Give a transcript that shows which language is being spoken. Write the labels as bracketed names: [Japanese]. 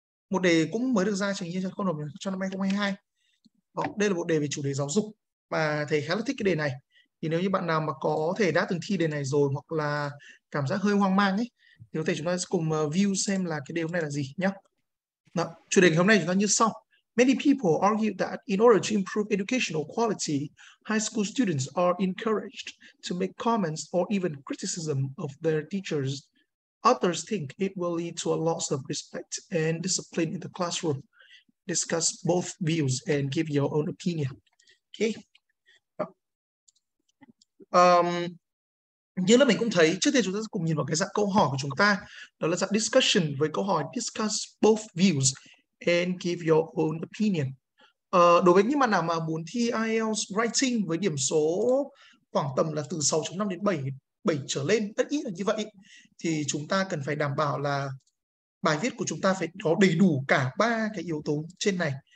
[Vietnamese] Một đề cũng mới được ra trình cho không đồng cho năm 2022. Đó, đây là một đề về chủ đề giáo dục và thầy khá là thích cái đề này. Thì nếu như bạn nào mà có thể đã từng thi đề này rồi hoặc là cảm giác hơi hoang mang ấy thì có thể chúng ta sẽ cùng view xem là cái đề hôm nay là gì nhé. Đó, chủ đề ngày hôm nay chúng ta như sau. [English] Many people argue that in order to improve educational quality, high school students are encouraged to make comments or even criticism of their teachers. Others think it will lead to a loss of respect and discipline in the classroom. Discuss both views and give your own opinion. Okay. [Vietnamese] Như là mình cũng thấy, trước tiên chúng ta sẽ cùng nhìn vào cái dạng câu hỏi của chúng ta. Đó là dạng discussion với câu hỏi [English] discuss both views and give your own opinion. [Vietnamese] Đối với những bạn nào mà muốn thi IELTS writing với điểm số khoảng tầm là từ 6.5 đến 7, 7 trở lên, rất ít là như vậy, thì chúng ta cần phải đảm bảo là bài viết của chúng ta phải có đầy đủ cả ba cái yếu tố trên này.